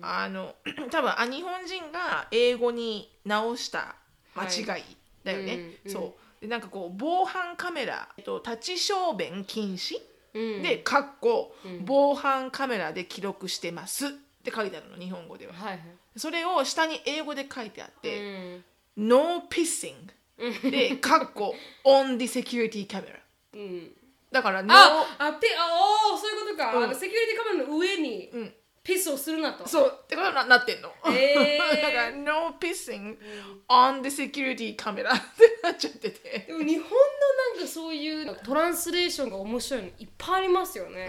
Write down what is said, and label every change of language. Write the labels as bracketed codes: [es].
[ja] あの多分日本人が英語に直した間違いだよね、はい、うん、そうで、なんかこう防犯カメラ、立ち小便禁止、うん、でかっこ、うん、防犯カメラで記録してますって書いてあるの、日本語では。はい、それを下に英語で書いてあって、うん、 [en] No pissing [ja] で、カッコ [en] On the security camera、 [ja] うん、だから No そういうことか、うん、セキュリティカメラの上にピスをするなと、うん、そうってことに なってんの、だから [en] No pissing On the security camera [ja] ってなっちゃってて、でも日本のなんかそういうトランスレーションが面白いのいっぱいありますよね、